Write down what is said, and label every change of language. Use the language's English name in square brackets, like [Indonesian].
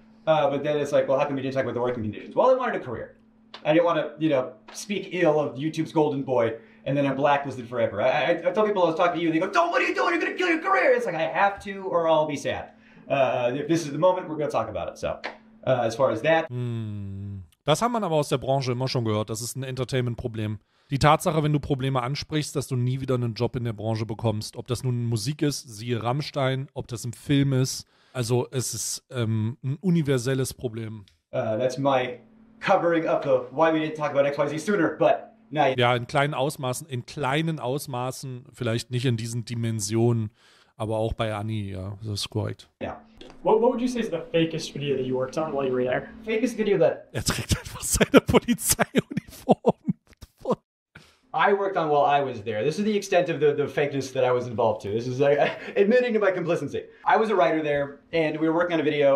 [English] But then it's like, well, how come you didn't talk about the working conditions? Well, I wanted a career. I didn't want to, you know, speak ill of YouTube's golden boy and then I'm blacklisted forever. I tell people I was talking to you and they go, don't, what are you doing? You're going to kill your career. It's like, I have to or I'll be sad. If this is the moment, we're going to talk about it. So as far as that. [German] Das hat man aber aus der Branche immer schon gehört. Das ist ein Entertainment-Problem. Die Tatsache, wenn du Probleme ansprichst, dass du nie wieder einen Job in der Branche bekommst, ob das nun Musik ist, siehe Rammstein, ob das ein Film ist, also es ist ein universelles Problem. [English] That's my covering up of why we didn't talk about XYZ sooner, but now. [German] Ja, in kleinen Ausmaßen, vielleicht nicht in diesen Dimensionen, aber auch bei Annie, ja, das ist korrekt. [English] Yeah. What would you say is the fakest video that you worked on while you were there? Fakest video that... [German] Er trägt einfach seine Polizeiuniform. [English] I worked on while I was there. This is the extent of the fakeness that I was involved to. This is admitting to my complicity. I was a writer there, and we were working on a video...